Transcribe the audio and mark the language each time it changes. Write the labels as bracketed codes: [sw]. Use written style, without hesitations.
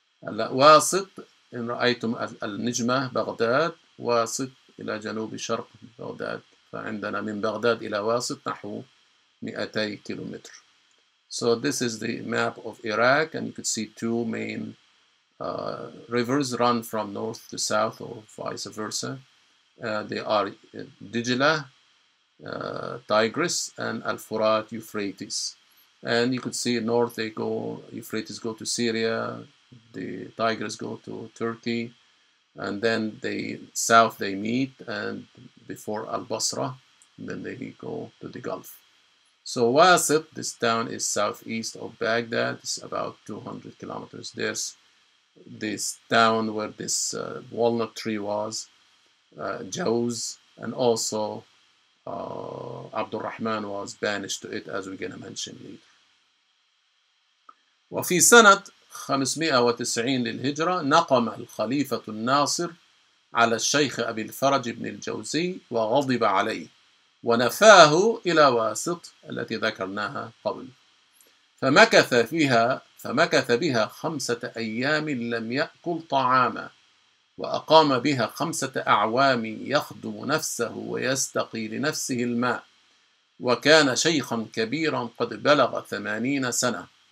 [ar] واسط إن رأيتم النجمة بغداد، واسط إلى جنوب شرق بغداد، فعندنا من بغداد إلى واسط نحو 200 كيلومتر. [en] So this is the map of Iraq, and you could see two main rivers run from north to south or vice versa. They are Dijla, Tigris, and Al-Furat, Euphrates. And you could see north they go, Euphrates go to Syria, the Tigris go to Turkey, and then they south they meet and before Al-Basra, then they go to the Gulf. So Wasit, this town is southeast of Baghdad, it's about 200 kilometers. There's this town where this walnut tree was, Jawz, and also Abdurrahman was banished to it, as we're going to mention later. [ar] وفي سنة 590 للهجرة نقم الخليفة الناصر على الشيخ أبي الفرج بن الجوزي وغضب عليه ونفاه إلى واسط التي ذكرناها قبل فمكث بها 5 أيام لم يأكل طعاما وأقام بها 5 أعوام يخدم نفسه ويستقي لنفسه الماء وكان شيخا كبيرا قد بلغ 80 سنة.